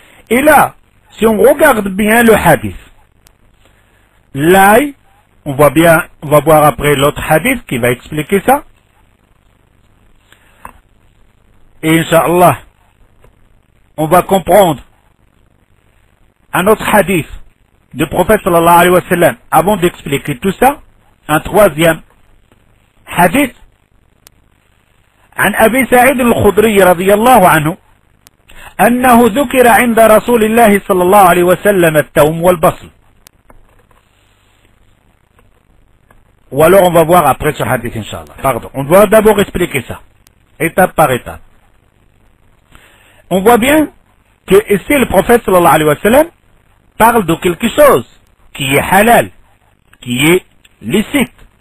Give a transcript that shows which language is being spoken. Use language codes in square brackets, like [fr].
[fr] Et là, si on regarde bien le hadith, l'ail, On voit bien, on va voir après l'autre hadith qui va expliquer ça. Et Inch'Allah, on va comprendre un autre hadith du prophète sallallahu alayhi wa sallam avant d'expliquer tout ça. Un troisième hadith. [ar] عن أبي سعيد الخدري رضي الله عنه أنه ذكر عند رسول الله صلى الله عليه وسلم التوم والبصل. [fr] Ou alors on va voir après ce hadith, Inch'Allah. Pardon. On doit d'abord expliquer ça. Étape par étape. On voit bien que ici le prophète, sallallahu alayhi wa sallam, parle de quelque chose qui est halal, qui est licite.